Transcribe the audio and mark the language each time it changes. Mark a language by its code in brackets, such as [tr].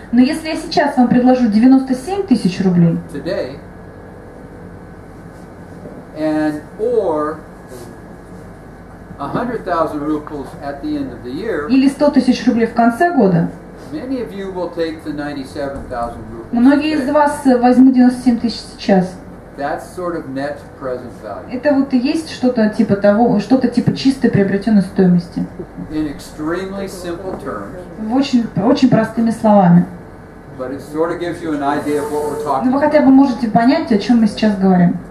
[ru] Но если я сейчас вам предложу 97 тысяч рублей. [en] Today. And or 100,000 rubles at the end of the year. [ru] Или 100 тысяч рублей в конце года. [en] Many of you will take the 97,000 rubles. [ru] Многие из вас возьмут 97 тысяч сейчас. [en] That's sort of net present value. [ru] Это вот и есть что-то типа того, что-то типа чистой приобретенной стоимости. [en] In extremely simple terms. [ru] В очень, очень простыми словами. [en] But it sort of gives you an idea of what we're talking. [ru] Но вы хотя бы можете понять, о чем мы сейчас говорим.